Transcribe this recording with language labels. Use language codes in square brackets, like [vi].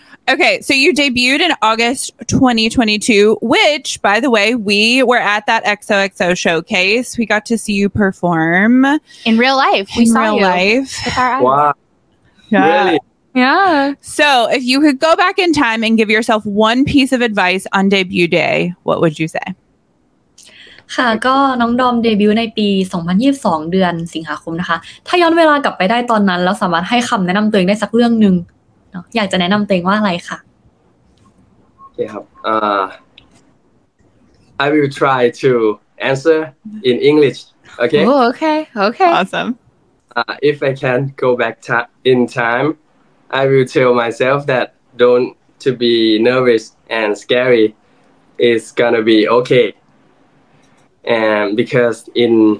[en] Okay, so you debuted in August 2022, which, by the way, we were at that XOXO showcase. We got to see you perform. In real life. We saw you. In real life. Wow. Yeah. Really? Yeah. So if you could go back in time and give yourself one piece of advice on debut day, what would you say? [th] ค่ะก็น้องดอมเดบิวต์ในปี2022เดือนสิงหาคมนะคะถ้าย้อนเวลากลับไปได้ตอนนั้นแล้วสามารถให้คำแนะนำตัวเองได้สักเรื่องนึงอยากจะแนะนำตัวเองว่าอะไรค่ะ โอเคครับ [en] I will try to answer in English okay oh, okay awesome if I can go back in time I will tell myself that don't to be nervous and scary it's gonna be okay and because in